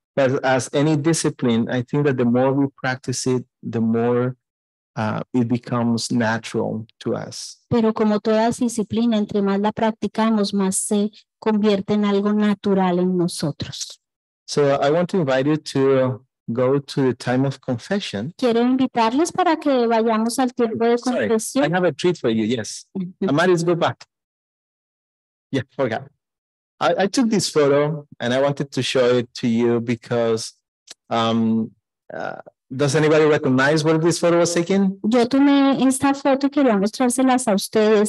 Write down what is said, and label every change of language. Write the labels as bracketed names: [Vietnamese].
[English] But as any discipline, I think that the more we practice it, the more it becomes natural to us. [Spanish] Pero como toda disciplina, entre más la practicamos, más se convierte en algo natural en nosotros. [English] So I want to invite you to go to the time of confession. [Spanish] Quiero invitarles para que vayamos al tiempo de confesión. [English] Sorry, I have a treat for you, yes. Amaris, go back. Yeah, forgot. I took this photo and I wanted to show it to you because does anybody recognize where this photo was taken? [Spanish] Yo tomé esta foto y quería mostrárselas a ustedes.